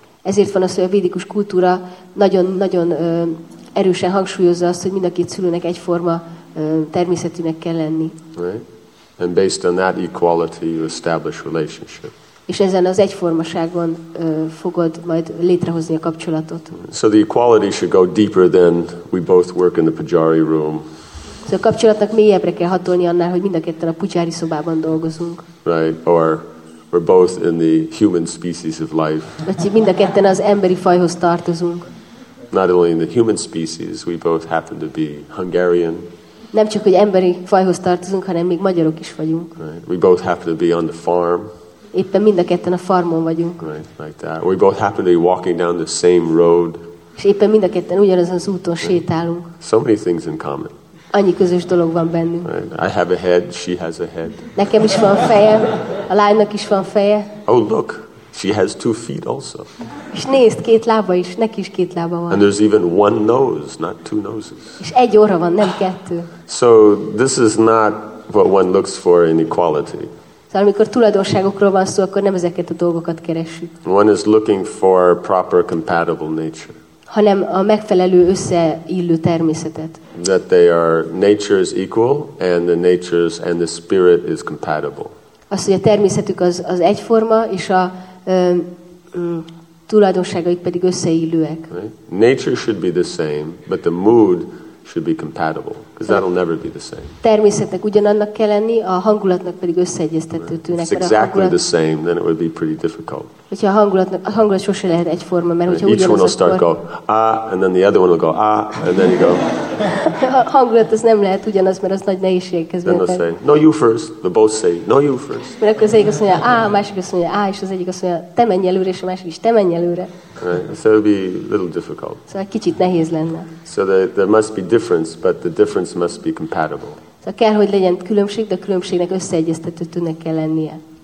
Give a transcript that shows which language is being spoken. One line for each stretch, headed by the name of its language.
Hungarian: Ezért van az, hogy a védikus kultúra nagyon-nagyon erősen hangsúlyozza azt, hogy mind a két szülőnek egyforma természetűnek kell lenni.
English: Right? And based on that equality you establish relationship.
Hungarian: És ezen az egyformaságon fogod majd létrehozni a kapcsolatot.
English: So the equality should go deeper than we both work in the pujari room.
Hungarian: De a kapcsolatnak mélyebbre kell hatolni annál, hogy mind a ketten a pucsári szobában dolgozunk.
English: Right, or we're both in the human species of life.
Hungarian: Vagy mind a ketten az emberi fajhoz tartozunk.
English: Not only in the human species, we both happen to be Hungarian.
Hungarian: Nem csak, hogy emberi fajhoz tartozunk, hanem még magyarok is vagyunk.
English: Right. We both happen to be on the farm.
Hungarian: Éppen mind a ketten a farmon vagyunk.
English: Right, like that. We both happen to be walking down the same road.
Hungarian: És éppen mind a ketten ugyanazon az úton sétálunk.
English: So many things in common.
Hungarian: Annyi közös dolog van bennünk.
English: Right. I have a head, she has a head.
Hungarian: Nekem is van feje, a lánynak is van feje.
English: Oh, look, she has two feet also.
Hungarian: És nézd, két lába is, neki is két lába van.
English: And there's even one nose, not two noses.
Hungarian: És egy orra van, nem kettő.
English: So this is not what one looks for in equality.
Hungarian: Szóval amikor tulajdonságokról van szó, akkor nem ezeket a dolgokat keresünk.
English: One is looking for proper compatible nature.
Hungarian: Hanem a megfelelő összeillő természetet.
English: That they are nature is equal and the natures and the spirit is compatible.
Hungarian: Azt, hogy a természetük az egyforma és a tulajdonságaik pedig összeillőek.
English: Right? Nature should be the same, but the mood should be compatible, because that'll never be the same.
Hungarian: Természetnek ugyanannak kell lenni, a hangulatnak pedig összeegyeztetőtőnek.
English: It's exactly the same, then it would be pretty difficult.
Hungarian: Hogyha a hangulat sose lehet egyforma, mert hogyha ugyanaz, akkor...
English: Each one will start go, ah, and then the other one will go, ah, and then you go...
Hungarian: A hangulat az nem lehet ugyanaz, mert az nagy nehézség közben.
English: Then they'll say, no you first, they both say, no you first.
Hungarian: Mert akkor az egyik azt mondja, ah, a másik azt mondja, ah, és az egyik azt mondja, te menj előre, és a másik is, te menj előre.
English: Right. So it would be a little difficult.
Hungarian: Szóval kicsit nehéz lenne.
English: So there must be difference, but the difference must be compatible.
Hungarian: Szóval kell, hogy legyen különbség, de a különbségnek összeegyeztetőnek kell lennie.